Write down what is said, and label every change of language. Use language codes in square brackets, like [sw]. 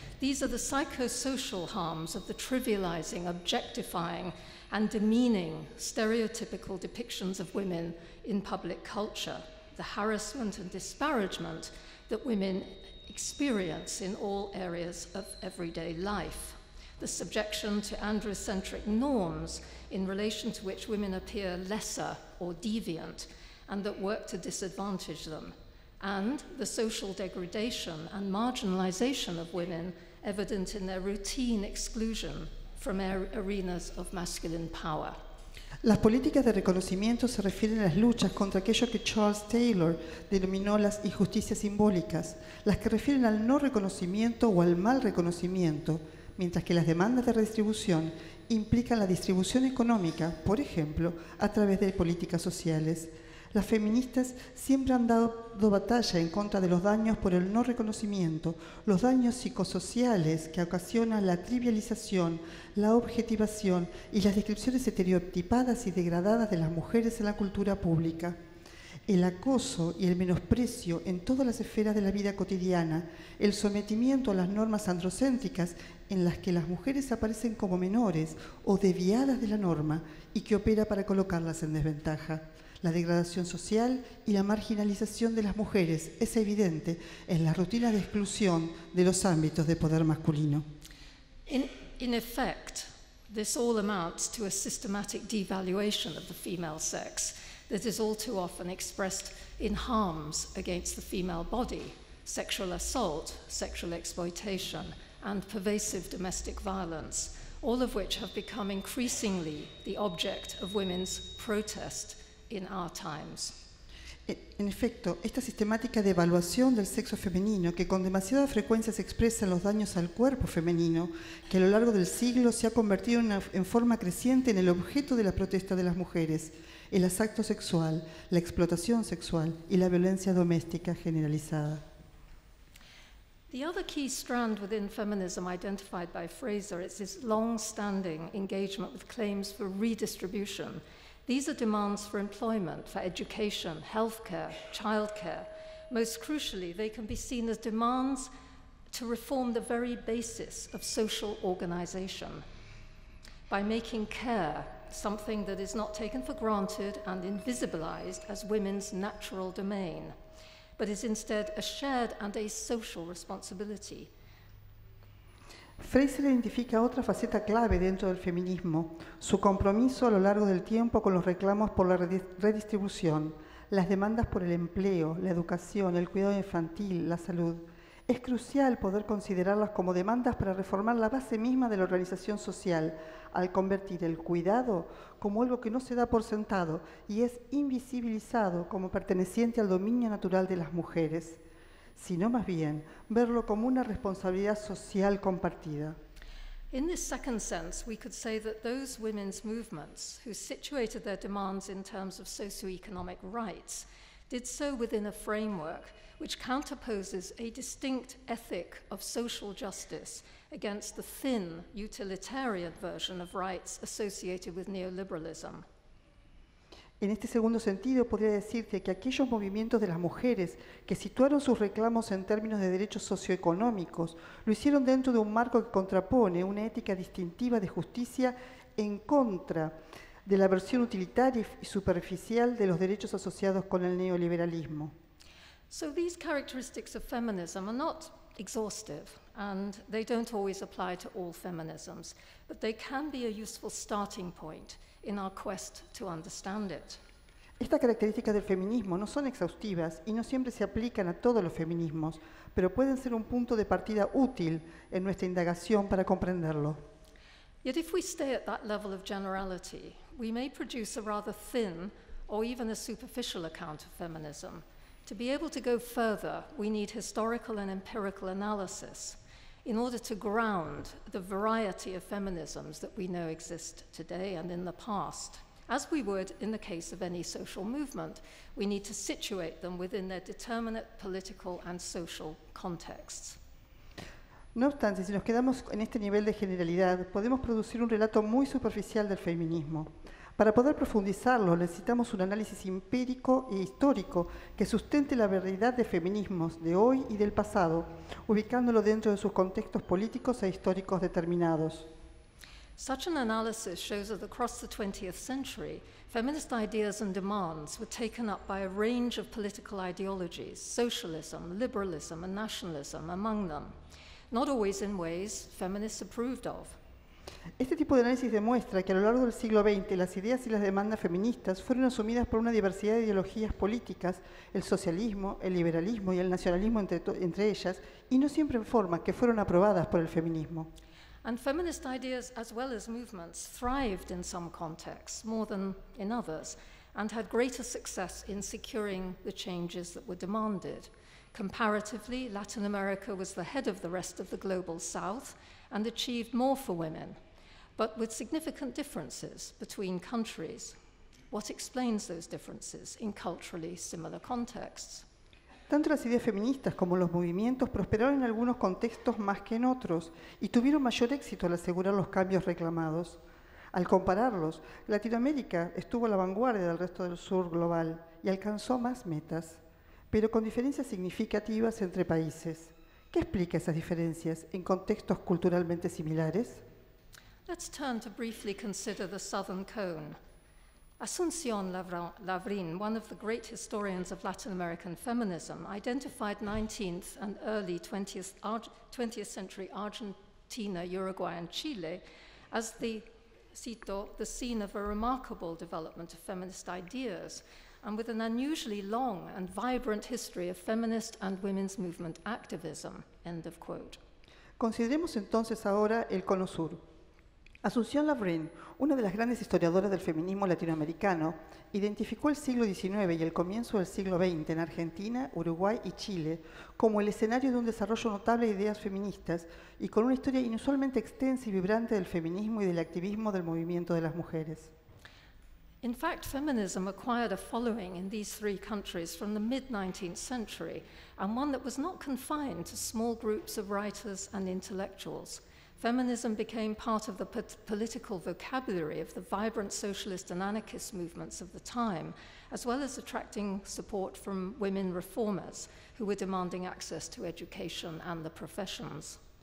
[en] These are the psychosocial harms of the trivializing, objectifying, and demeaning stereotypical depictions of women in public culture, the harassment and disparagement that women experience in all areas of everyday life, the subjection to androcentric norms in relation to which women appear lesser or deviant and that work to disadvantage them, and the social degradation and marginalization of women evident in their routine exclusion from arenas of masculine power. [es] Las políticas de reconocimiento se refieren a las luchas contra aquello que Charles Taylor denominó las injusticias simbólicas, las que refieren al no reconocimiento o al mal reconocimiento, mientras que las demandas de redistribución implican la distribución económica, por ejemplo, a través de políticas sociales. Las feministas siempre han dado batalla en contra de los daños por el no reconocimiento, los daños psicosociales que ocasiona la trivialización, la objetivación y las descripciones estereotipadas y degradadas de las mujeres en la cultura pública. El acoso y el menosprecio en todas las esferas de la vida cotidiana, el sometimiento a las normas androcéntricas en las que las mujeres aparecen como menores o desviadas de la norma y que opera para colocarlas en desventaja. La degradación social y la marginalización de las mujeres es evidente en las rutinas de exclusión de los ámbitos de poder masculino. [en] In effect, this all amounts to a systematic devaluation of the female sex that is all too often expressed in harms against the female body, sexual assault, sexual exploitation, and pervasive domestic violence, all of which have become increasingly the object of women's protest in our times. [es] En efecto, esta sistemática devaluación del sexo femenino, que con demasiada frecuencia se expresa en los daños al cuerpo femenino, que a lo largo del siglo se ha convertido en forma creciente en el objeto de la protesta de las mujeres, el asalto sexual, la explotación sexual y la violencia doméstica generalizada. [en] The other key strand within feminism identified by Fraser is this long-standing engagement with claims for redistribution. These are demands for employment, for education, healthcare, childcare. Most crucially, they can be seen as demands to reform the very basis of social organization by making care something that is not taken for granted and invisibilized as women's natural domain, but is instead a shared and a social responsibility. [es] Fraser identifica otra faceta clave dentro del feminismo, su compromiso a lo largo del tiempo con los reclamos por la redistribución, las demandas por el empleo, la educación, el cuidado infantil, la salud. Es crucial poder considerarlas como demandas para reformar la base misma de la organización social, al convertir el cuidado como algo que no se da por sentado y es invisibilizado como perteneciente al dominio natural de las mujeres, sino más bien verlo como una responsabilidad social compartida. [en] In this second sense, we could say that those women's movements who situated their demands in terms of socioeconomic rights did so within a framework which counterposes a distinct ethic of social justice against the thin, utilitarian version of rights associated with neoliberalism. [es] En este segundo sentido, podría decirte que aquellos movimientos de las mujeres que situaron sus reclamos en términos de derechos socioeconómicos lo hicieron dentro de un marco que contrapone una ética distintiva de justicia en contra de la versión utilitaria y superficial de los derechos asociados con el neoliberalismo. [en] So these characteristics of feminism are not exhaustive, and they don't always apply to all feminisms, but they can be a useful starting point in our quest to understand it. [es] Estas características del feminismo no son exhaustivas y no siempre se aplican a todos los feminismos, pero pueden ser un punto de partida útil en nuestra indagación para comprenderlo. [en] Yet if we stay at that level of generality, we may produce a rather thin or even a superficial account of feminism. To be able to go further, we need historical and empirical analysis in order to ground the variety of feminisms that we know exist today and in the past. As we would in the case of any social movement, we need to situate them within their determinate political and social contexts. [es] No obstante, si nos quedamos en este nivel de generalidad, podemos producir un relato muy superficial del feminismo. Para poder profundizarlo, necesitamos un análisis empírico e histórico que sustente la verdad de feminismos de hoy y del pasado, ubicándolo dentro de sus contextos políticos e históricos determinados. [en] Such an analysis shows that across the 20th century, feminist ideas and demands were taken up by a range of political ideologies, socialism, liberalism, and nationalism among them. Not always in ways feminists approved of. [es] Este tipo de análisis demuestra que a lo largo del siglo XX las ideas y las demandas feministas fueron asumidas por una diversidad de ideologías políticas, el socialismo, el liberalismo y el nacionalismo entre ellas, y no siempre en forma que fueron aprobadas por el feminismo. [en] And feminist ideas as well as movements thrived in some contexts more than in others and had greater success in securing the changes that were demanded. Comparatively, Latin America was the head of the rest of the global South and achieved more for women, but with significant differences between countries. What explains those differences in culturally similar contexts? [es] Tanto las ideas feministas como los movimientos prosperaron en algunos contextos más que en otros y tuvieron mayor éxito al asegurar los cambios reclamados. Al compararlos, Latinoamérica estuvo a la vanguardia del resto del sur global y alcanzó más metas, pero con diferencias significativas entre países. ¿Qué explica esas diferencias en contextos culturalmente similares? [en] Let's turn to briefly consider the Southern Cone. Asunción Lavrin, one of the great historians of Latin American feminism, identified 19th and early 20th century Argentina, Uruguay, and Chile as the, cito, the scene of a remarkable development of feminist ideas, and with an unusually long and vibrant history of feminist and women's movement activism, end of quote. [es] Consideremos entonces ahora el Cono Sur. Asunción Lavrin, una de las grandes historiadoras del feminismo latinoamericano, identificó el siglo XIX y el comienzo del siglo XX en Argentina, Uruguay y Chile como el escenario de un desarrollo notable de ideas feministas y con una historia inusualmente extensa y vibrante del feminismo y del activismo del movimiento de las mujeres. [en] In fact, feminism acquired a following in these three countries from the mid-19th century, and one that was not confined to small groups of writers and intellectuals. Feminism became part of the political vocabulary of the vibrant socialist and anarchist movements of the time, as well as attracting support from women reformers who were demanding access to education and the professions.